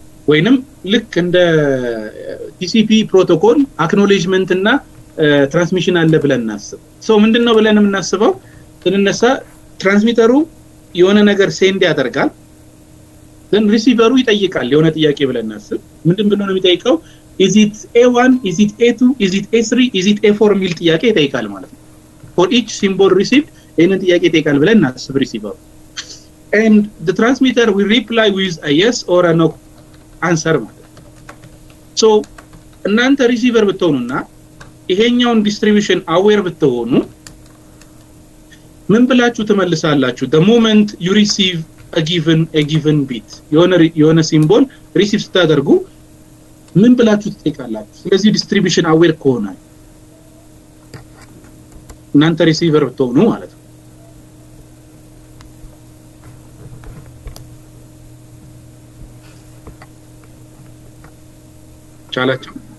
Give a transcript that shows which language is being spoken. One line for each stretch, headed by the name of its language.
Amharic: ወይንም ልክ እንደ TCP ፕሮቶኮል acknowledgement እና transmission አለ ብለን እናስብ። so ምንድነው ብለን እናስበው ትንነሳ ትራንስሚተሩ የሆነ ነገር ሴንድ ያደርጋል then receiver ይጠይቃል የሆነ ጥያቄ ብለን እናስብ። ምንድን ብሎ ነው የሚጠይቀው?
English: is it a1 is it a2 is it a3 is it a4
Amharic: የሚል ጥያቄ ይጠይቃል ማለት ነው።
English: for each symbol received
Amharic: ይህንን ጥያቄ ይጠይቃል ብለን እናስብ ሪሲቨሩ።
English: and the transmitter will reply with a yes or a no answer
Amharic: ማለት ነው። so እናንተ ሪሲቨር ብትሆኑና ይሄኛውን ዲስትሪቢዩሽን አዌር ብትሆኑ ምን ብላችሁ ትመልሳላችሁ?
English: the moment you receive a given bit
Amharic: የሆነ ሲምቦል ሪሲቭ ስታደርጉ ምን ብላችሁ ትጠይቃላችሁ? ስለዚህ ዲስትሪቢዩሽን አዌር ከሆነ እናንተ ሪሲቨር ብትሆኑ ማለት ነው። ቻላችሁ?